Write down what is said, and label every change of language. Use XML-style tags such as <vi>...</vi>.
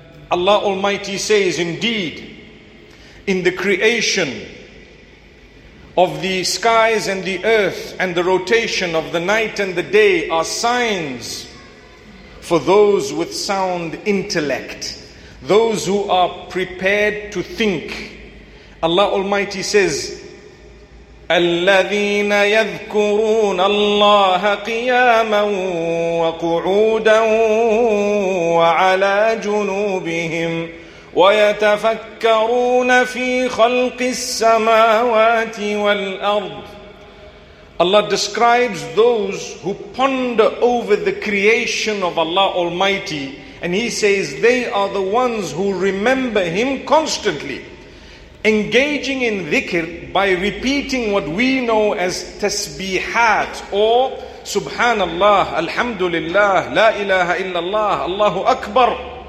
<en>Allah Almighty says, indeed, in the creation of the skies and the earth and the rotation of the night and the day are signs for those with sound intellect, those who are prepared to think. Allah Almighty says,</en> <ar>الَّذِينَ يَذْكُرُونَ اللَّهَ قِيَامًا وَقُعُودًا وَعَلَى جُنُوبِهِمْ وَيَتَفَكَّرُونَ فِي خَلْقِ السَّمَاوَاتِ وَالْأَرْضِ.</ar> <en>Allah describes those who ponder over the creation of Allah Almighty, and He says they are the ones who remember Him constantly, engaging in dhikr by repeating what we know as tasbihat or Subhanallah, Alhamdulillah, La ilaha illallah, Allahu Akbar.</en>